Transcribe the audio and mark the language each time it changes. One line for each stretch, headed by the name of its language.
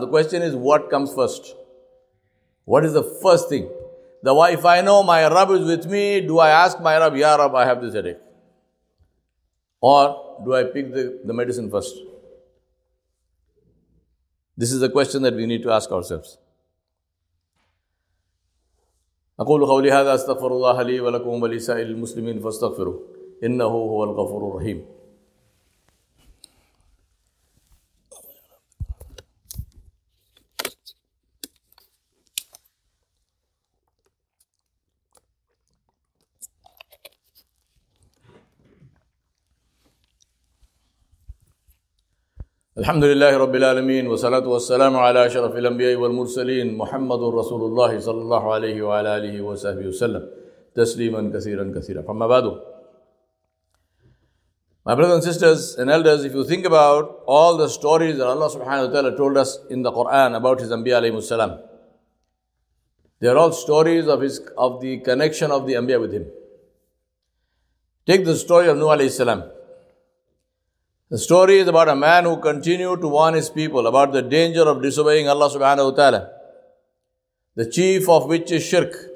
English: The question is what comes first. What is the first thing? If I know my Rabb is with me, do I ask my Rabb, Ya Rabb, I have this headache? Or do I pick the medicine first? This is the question that we need to ask ourselves.
Arabic: أقول قولي هذا أستغفر الله لي ولكم ولسائر المسلمين فاستغفروا إنه هو الغفور الرحيم. الحمد لله رب العالمين والصلاة والسلام على أشرف الأنبياء والمرسلين محمد رسول الله صلى الله عليه وعلى آله وصحبه وسلم تسليما كثيرا كثيرا فما بعد.
English: My brothers and sisters and elders, if you think about all the stories that Allah subhanahu wa ta'ala told us in the Quran about His Anbiya alayhi salam, they are all stories of the connection of the Anbiya with Him. Take the story of Nuh alayhi salam. The story is about a man who continued to warn his people about the danger of disobeying Allah subhanahu wa ta'ala, the chief of which is shirk.